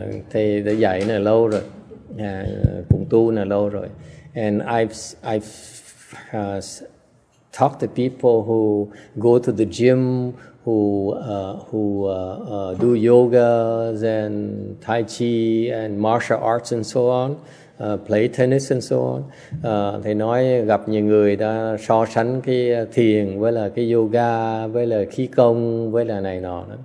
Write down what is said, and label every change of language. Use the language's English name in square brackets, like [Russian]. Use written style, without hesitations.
[Vietnamese] Thầy đã dạy này lâu rồi, cũng tu này lâu rồi. [English] And I've talked to people who go to the gym, who do yoga and tai chi and martial arts and so on, play tennis and so on. [Vietnamese] Thầy nói gặp nhiều người đã so sánh cái thiền với là cái yoga, với là khí công, với là này nọ.